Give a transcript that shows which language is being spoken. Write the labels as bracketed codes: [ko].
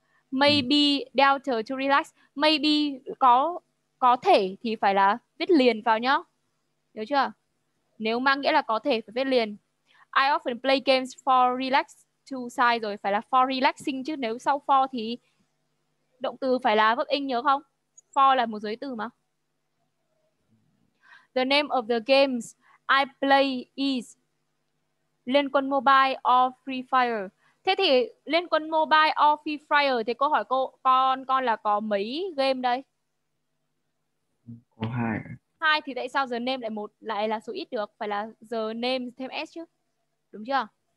[en] Maybe delta to relax. [vi] Maybe có thể thì phải là viết liền vào nhá. Được chưa? Nếu mang nghĩa là có thể phải viết liền. [en] I often play games for relax to [vi] sai rồi. Phải là [en] for relaxing [vi] chứ. Nếu sau for thì động từ phải là verb ing nhớ không? For là một giới từ mà. [en] The name of the games I play is Liên Quân Mobile or Free Fire. [vi] Thế thì Liên Quân Mobile or Free Fire thì cô hỏi cô, con là có mấy game đây? Có hai. Hai thì tại sao [en] the name [vi] lại một, lại là số ít được? Phải là the name thêm S chứ. Đúng chưa?